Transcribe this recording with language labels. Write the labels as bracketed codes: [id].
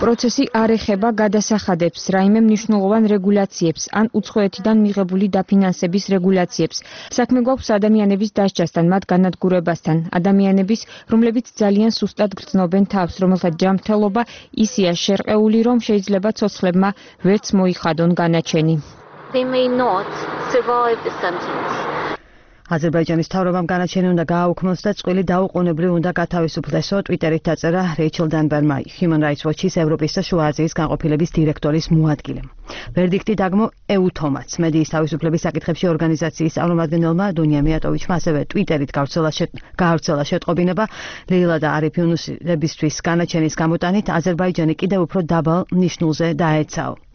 [ka] პროცესი არ ეხება გადასახადებს, რაიმე მნიშვნელოვან რეგულაციებს ან უცხოეთიდან მიღებული დაფინანსების რეგულაციებს. საქმე გვაქვს ადამიანების დასჯასთან, მათ განადგურებასთან, ადამიანების, რომლებიც ძალიან სუსტად გრძნობენ თავს, რომელთა ჯანმრთელობა ისეა შერყეული, რომ შეიძლება ცოცხლებმა ვერც მოიხადონ განაჩენი. [en] They may not survive the sentence. [ka] აზერბაიჯანის მთავრობამ განაჩენი უნდა გააუქმოს და წვილი დაუყოვნებლივ უნდა გათავისუფლდესო, ტვიტერით დაწერა რეიჩელ დანბერმა, Human Rights Watch-ის ევროპის და შუა აზიის განყოფილების დირექტორის მოადგილემ. ვერდიქტი დაგმო ეუთომაც. მედიის თავისუფლების საკითხებში ორგანიზაციის წარმომადგენელმა დუნია მიატოვიჩმა ასევე ტვიტერით გავრცელა შეტყობინება: ლეილა და არიფ იუნუსებისთვის განაჩენის გამოტანით აზერბაიჯანი კიდევ უფრო დაბალ ნიშნულზე დაეცაო.